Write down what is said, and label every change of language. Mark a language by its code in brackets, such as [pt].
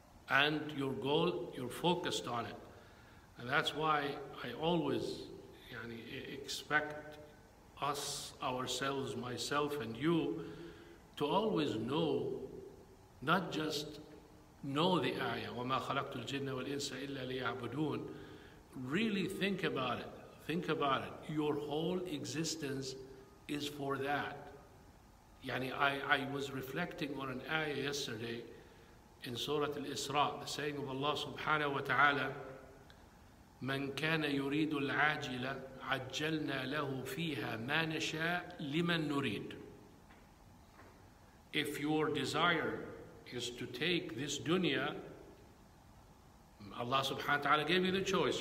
[en] And your goal, you're focused on it. And that's why I always expect us, ourselves, myself and you, to always know, not just know the ayah, [ar] وَمَا خَلَقْتُ الْجِنَّ وَالْإِنسَ إِلَّا لِيَعْبُدُونَ. [en] Really think about it. Think about it. Your whole existence is for that. I was reflecting on an ayah yesterday in Surah Al-Isra, the saying of Allah subhanahu wa ta'ala, [ar] من كان يريد العاجلة عجلنا له فيها ما نشاء لمن نريد. [en] If your desire is to take this dunya, Allah subhanahu wa ta'ala gave you the choice.